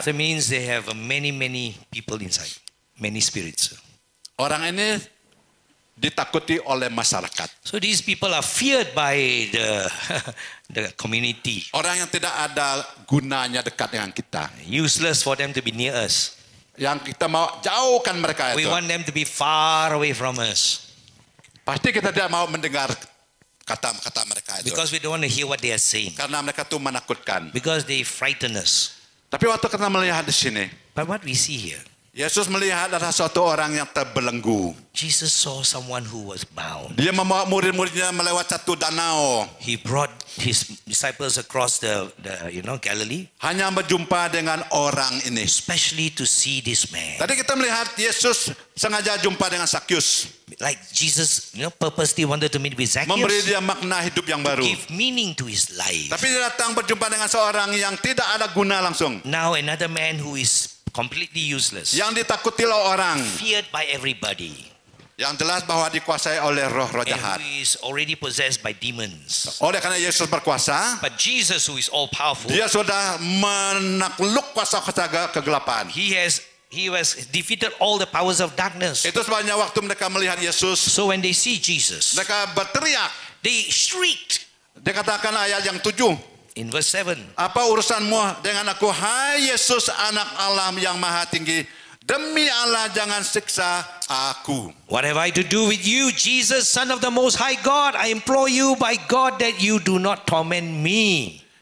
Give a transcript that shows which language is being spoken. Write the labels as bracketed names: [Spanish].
[English] So means they have many people inside, many spirits. [Indonesian] Orang ini ditakuti oleh masyarakat. [English] So these people are feared by the community. [Indonesian] Orang yang tidak ada gunanya dekat dengan kita. [English] Useless for them to be near us. [Indonesian] Yang kita mau jauhkan mereka itu. [English] We want them to be far away from us. [Indonesian] Pasti kita tidak mau mendengar kata-kata mereka itu. [English] Because we don't want to hear what they are saying. [Indonesian] Karena mereka itu menakutkan. [English] Because they frighten us. [Indonesian] Tapi waktu kita melihat di sini. [English] But what we see here. [Indonesian] Yesus melihat ada satu orang yang terbelenggu. [English] Jesus saw someone who was bound. [Indonesian] Dia membawa murid-muridnya melewati satu danau. [English] He brought his disciples across the Galilee. [Indonesian] Hanya berjumpa dengan orang ini. [English] Especially to see this man. [Indonesian] Tadi kita melihat Yesus sengaja jumpa dengan Zacchaeus. [English] Like Jesus, purposely wanted to meet with Zacchaeus. [Indonesian] Memberi dia makna hidup yang baru. [English] Give meaning to his life. [Indonesian] Tapi dia datang berjumpa dengan seorang yang tidak ada guna langsung. [English] Now another man who is completely useless. [Indonesian] Yang ditakuti oleh orang. [English] Feared by everybody. [Indonesian] Yang jelas bahwa dikuasai oleh roh-roh jahat. [English] And who is already possessed by demons. [Indonesian] Oleh karena Yesus berkuasa. [English] But Jesus, who is all powerful. [Indonesian] Dia sudah menakluk kuasa-kuasa kegelapan. [English] He has defeated all the powers of darkness. [Indonesian] Itu sebabnya waktu mereka melihat Yesus. [English] So when they see Jesus. [Indonesian] Mereka berteriak. [English] They shrieked. [Indonesian] Dikatakan ayat yang 7. [English] In verse 7. [Indonesian] Apa urusanmu dengan aku, hai Yesus anak Allah yang maha tinggi? Demi Allah jangan siksa aku. [English] What have I to do with you, Jesus, son of the most high God? I implore you by God that you do not torment me.